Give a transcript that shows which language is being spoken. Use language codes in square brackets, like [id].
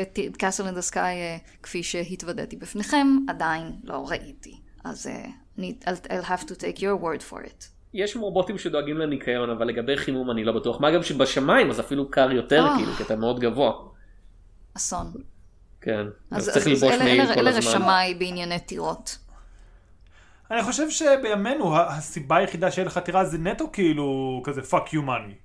[he] וקאסל אין דה סקאי, כפי שהתוודעתי בפניכם, עדיין לא ראיתי. [en] אז I'll have to take your word for it. [he] יש רובוטים שדואגים לניקיון, אבל לגבי חימום אני לא בטוח. מה גם שבשמיים, אז אפילו קר יותר, כאילו, כי אתה מאוד גבוה. אסון. כן. אז צריך ללבוש מעיל כל הזמן. אלה רשמיי בענייני טירות. אני חושב שבימינו, הסיבה היחידה שיהיה לך טירה זה נטו כאילו כזה [en] fuck you money.